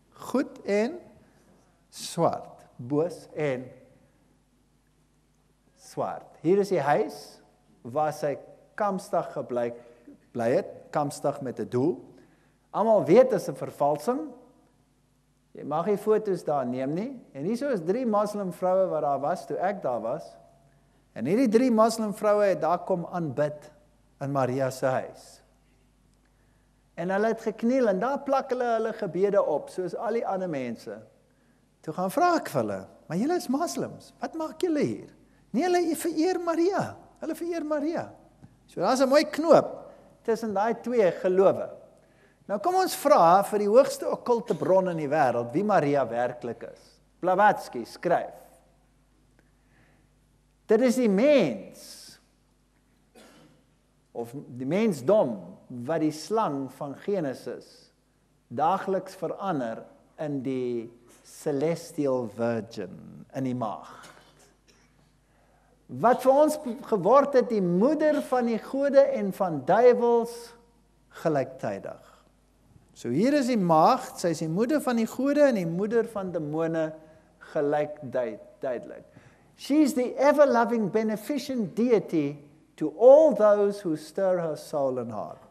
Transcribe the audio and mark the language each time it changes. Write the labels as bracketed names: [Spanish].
[Afrikaans] Goed en swart. Boos en swart. Hier is die huis waar sy kamstig bly het. Kamstig met 'n doel. Almal weet is 'n vervalsing. Jy mag nie foto's daar neem nie. En hierso is drie moslim vroue wat daar was toe ek daar was. En hierdie drie moslim vroue het daar kom aanbid in Maria se huis. En hulle het gekniel en daar plak hulle hulle gebede op, soos al die ander mense. Toe gaan vra ek vir hulle, maar julle is moslims, wat maak julle hier? Nee, hulle vereer Maria, hulle vereer Maria. So daar is 'n mooi knoop tussen daai twee gelowe. Nou kom ons vra vir die hoogste okkulte bron in die wêreld, wie Maria werklik is. Blavatsky skryf. Dit is die mens, of die mensdom, wat die slang van Genesis dageliks verander in die [English] celestial virgin, [Afrikaans] in die maagd. Wat vir ons geword het die moeder van die gode en van duivels gelyktydig. So hier is die maagd, sy is die moeder van die gode en die moeder van demone gelyktydig. [English] She is the ever-loving beneficent deity to all those who stir her soul and heart.